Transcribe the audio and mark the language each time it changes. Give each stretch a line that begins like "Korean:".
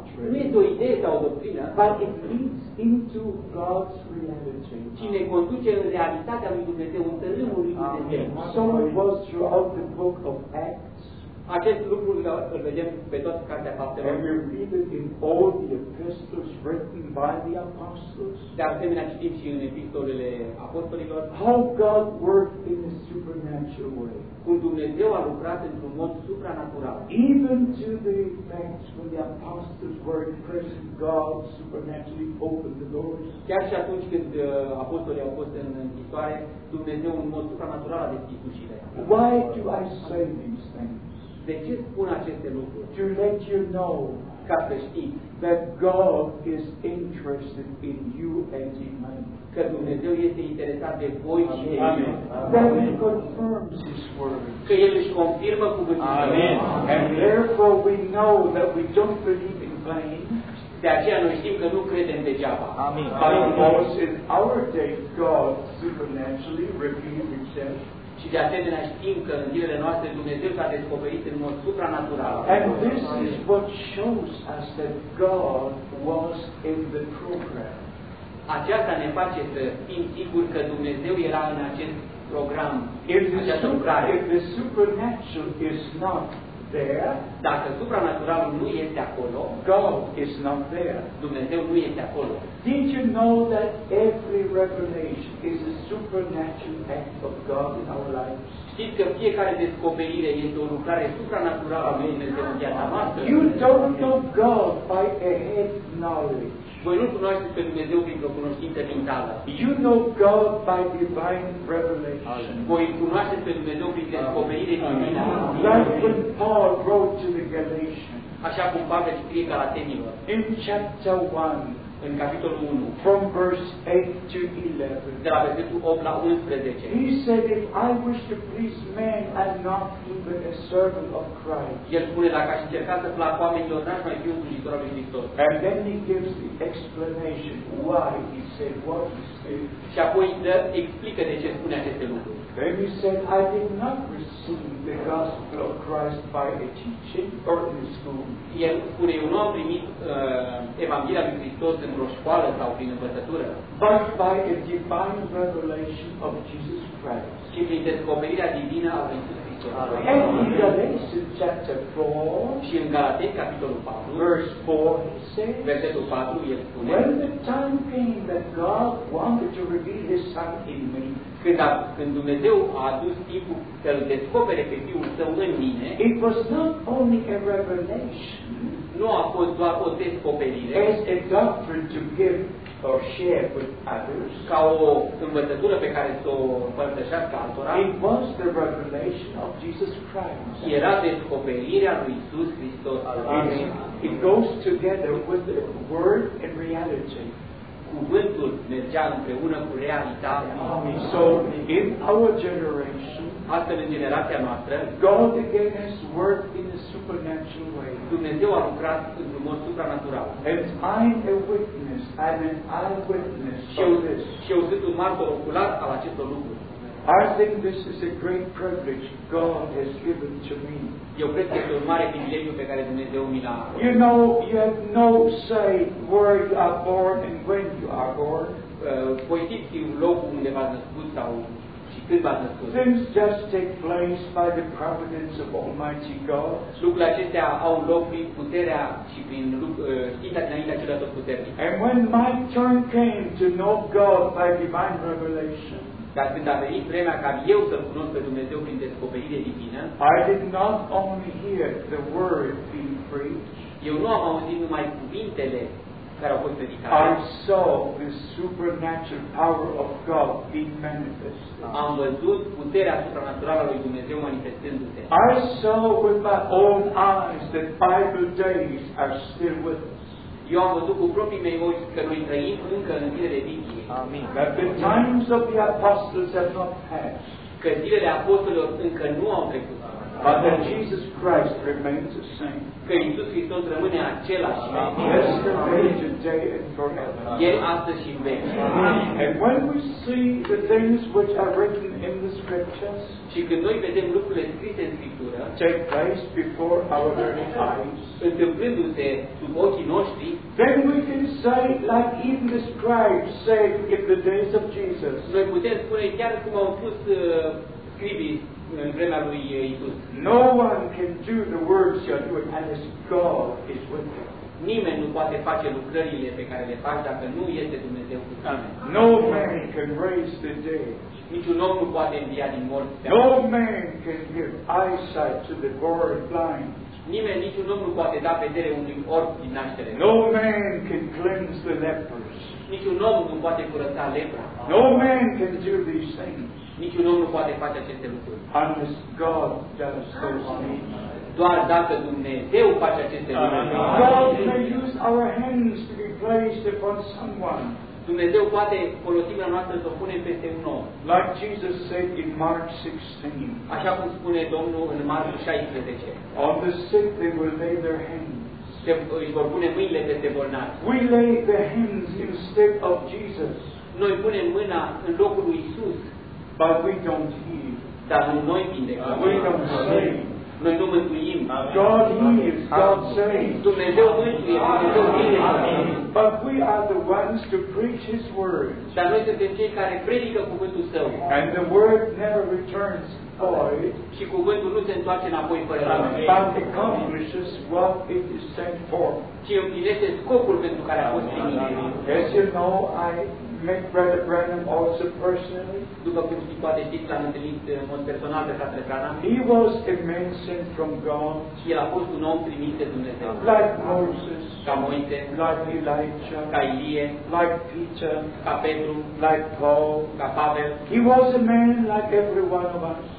Romanian: Nu este o idee sau o doctrină,
English: but it leads into God's reality.
Romanian: Ci ne conduce în realitatea lui Dumnezeu, în tărâmul lui Dumnezeu.
English: So it was throughout the book of Acts.
Romanian: Acest lucru îl vedem pe toată cartea Faptelor.
English: And we read it in all the epistles written by the apostles.
Romanian: De asemenea, citim și în epistolele apostolilor.
English: How God worked in a supernatural way.
Romanian: Cum Dumnezeu a lucrat într-un mod supranatural.
English: Even to the effects when the apostles were in prison, God supernaturally opened the doors.
Romanian: Chiar și atunci când apostolii au fost în închisoare, Dumnezeu în mod supranatural a deschis ușile.
English: Why do I say these things?
Romanian: De ce spun aceste lucruri?
English: To let you know,
Romanian: ca să știi,
English: that God is interested in you and in me.
Romanian: Că Dumnezeu este interesat de voi și de mine.
English: That He confirms His word.
Romanian: Că El își confirmă cuvântul.
English: Amen. And therefore we know that we don't believe in vain.
Romanian: De aceea noi știm că nu credem degeaba.
English: Amen. Because in our day God supernaturally revealed Himself.
Romanian: Și de asemenea știm că în zilele noastre Dumnezeu s-a descoperit în mod supranatural.
English: And this is what shows us that God was in the program.
Romanian: Aceasta ne face să fim siguri că Dumnezeu era în acest program.
English: If the supernatural is not there,
Romanian: dacă supranaturalul nu este acolo,
English: God is not there.
Romanian: Dumnezeu nu este acolo.
English: Did you know that every revelation is a supernatural act of God in our lives?
Romanian: Știți că fiecare descoperire este o lucrare supranaturală a lui Dumnezeu în viața noastră?
English: You don't know God by a head knowledge.
Romanian: Voi nu cunoașteți pe Dumnezeu printr-o cunoștință mentală.
English: You know God by divine revelation.
Romanian: Voi cunoașteți pe Dumnezeu prin descoperire divină.
English: Like when Paul wrote to the Galatians.
Romanian: Așa cum Pavel scrie Galatenilor.
English: In chapter 1.
Romanian: În capitolul 1,
English: from verse 8 to 11,
Romanian: de la versetul 8 la 11,
English: he said, if I wish to please men and not even a servant of Christ,
Romanian: el spune, dacă aș încerca să plac oamenilor, n-aș mai fi un slujitor al lui Hristos.
English: And then he gives the explanation why he said what he said.
Romanian: Și apoi explică de ce spune aceste lucruri.
English: Then he said, I did not receive the gospel of Christ by a teaching or in school.
Romanian: El spune, eu nu am primit Evanghelia lui Hristos într-o școală sau prin învățătură.
English: But by a divine revelation of Jesus Christ.
Romanian: Și prin descoperirea divină a lui Hristos.
English: And in Galatians chapter 4,
Romanian: și în Galatei capitolul 4,
English: verse 4, he says,
Romanian: versetul 4, el spune,
English: when the time came that God wanted to reveal His Son in me,
Romanian: când Dumnezeu a adus timpul să-L descopere pe Fiul Său în mine,
English: it was not only a revelation,
Romanian: nu a fost doar o descoperire,
English: as a doctrine to give or share with others,
Romanian: ca o învățătură pe care s-o împărtășească altora,
English: it was the revelation of Jesus Christ.
Romanian: Era descoperirea lui Iisus Hristos al lui.
English: It goes together with the word and reality.
Romanian: Cuvântul mergea împreună cu realitatea.
English: Amen. So in our generation,
Romanian: astfel în generația noastră,
English: God again has worked in a supernatural way.
Romanian: Dumnezeu a lucrat într-un mod supranatural.
English: And I'm a witness, I'm an eyewitness of this.
Romanian: Și eu sunt un martor ocular al acestor lucruri.
English: I think this is a great privilege God has given to me.
Romanian: Eu cred că este un mare privilegiu pe care Dumnezeu mi l-a.
English: You know, you have no say where you are born and when you are born.
Romanian: Voi știți locul unde v-ați născut sau și când v-ați născut.
English: Things just take place by the providence of Almighty God.
Romanian: Lucrurile acestea au loc prin puterea și prin știința dinaintea celor tot puternic.
English: And when my turn came to know God by divine revelation,
Romanian: dar când a venit vremea ca eu să-L cunosc pe Dumnezeu prin descoperire divină,
English: I did not only hear the word being preached,
Romanian: eu nu am auzit numai cuvintele care au fost predicate,
English: I saw the supernatural power of God being manifested.
Romanian: Am văzut puterea supranaturală a lui Dumnezeu manifestându-se.
English: I saw with my own eyes that Bible days are still with us.
Romanian: Eu am văzut cu proprii mei ochi că noi trăim încă în zilele vechi. Amin.
English: That the times of the apostles have not passed.
Romanian: Că zilele apostolilor încă nu au trecut.
English: But that Jesus Christ remains the same.
Romanian: Că Iisus Hristos rămâne același.
English: Amin. Yesterday, today, and forever.
Romanian: El astăzi și în veci.
English: And when we see the things which are written in the scriptures,
Romanian: și când noi vedem lucrurile scrise în Scriptură,
English: take place before our very eyes,
Romanian: întâmplându-se sub ochii noștri,
English: then we can say, like even the scribes said in the days of Jesus,
Romanian: noi putem spune chiar cum au spus scribii în vremea lui Iisus.
English: No one can do the works you are doing unless God is with them.
Romanian: Nimeni nu poate face lucrările pe care le faci dacă nu este Dumnezeu cu tine.
English: No man can raise the dead.
Romanian: Niciun om nu poate învia din morți.
English: No man can give eyesight to the born blind.
Romanian: Nimeni, niciun om nu poate da vedere unui orb din naștere.
English: No man can cleanse the lepers.
Romanian: Niciun om nu poate curăța lepra.
English: No man can do these things.
Romanian: Niciun om nu poate face aceste lucruri.
English: Unless God does those things.
Romanian: Doar dacă Dumnezeu face aceste lucruri.
English: God may use our hands to be placed upon someone.
Romanian: Dumnezeu poate folosi mâna noastră să o punem peste un om.
English: Like Jesus said in Mark 16.
Romanian: Așa cum spune Domnul în Marcu 16.
English: On the sick they will lay their hands.
Romanian: Își vor pune mâinile peste bolnavi.
English: We lay the hands instead of Jesus.
Romanian: Noi punem mâna în locul lui Isus.
English: But we don't heal.
Romanian: Dar nu noi vindecăm.
English: We don't save.
Romanian: Noi nu mântuim.
English: God heals, God saves.
Romanian: Dumnezeu mântuie, Dumnezeu vindecă.
English: But we are the ones to preach His word.
Romanian: Dar noi suntem cei care predică cuvântul Său.
English: And the word never returns void.
Romanian: Și cuvântul nu se întoarce înapoi fără rău.
English: But accomplishes what it is sent for.
Romanian: Și împlinește scopul pentru care a fost trimis.
English: As you know, I met Brother Branham also personally.
Romanian: După cum știți, poate știți, l-am întâlnit în mod personal pe fratele Branham.
English: He was a man sent from God.
Romanian: Și el a fost un om trimis de Dumnezeu.
English: Like Moses.
Romanian: Ca Moise.
English: Like Elijah.
Romanian: Ca Ilie.
English: Like Peter.
Romanian: Ca Petru.
English: Like Paul.
Romanian: Ca Pavel.
English: He was a man like every one of us.